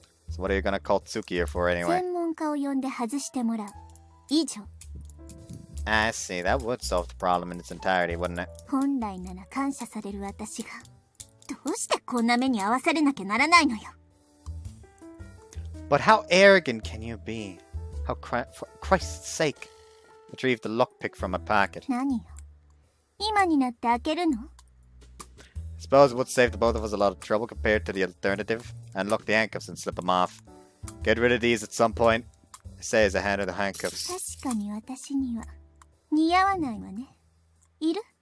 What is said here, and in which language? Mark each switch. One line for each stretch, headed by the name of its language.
English: So what are you gonna call Tsuki here for anyway?
Japanese: 専門家を呼んで外してもらう。以上.
English: I see, that would solve the problem in its entirety, wouldn't it?
Japanese: 本来なら感謝される私が、どうしてこんな目に遭わされなきゃならないのよ。
English: But how arrogant can you be? How for Christ's sake, retrieve the lockpick from my pocket.
Japanese: 何よ、今になって開けるの?
English: I suppose it would save the both of us a lot of trouble compared to the alternative. Unlock the handcuffs and slip them off. Get rid of these at some point. I say as I hand her the handcuffs.
Japanese: 確かに私には似合わないわね。いる?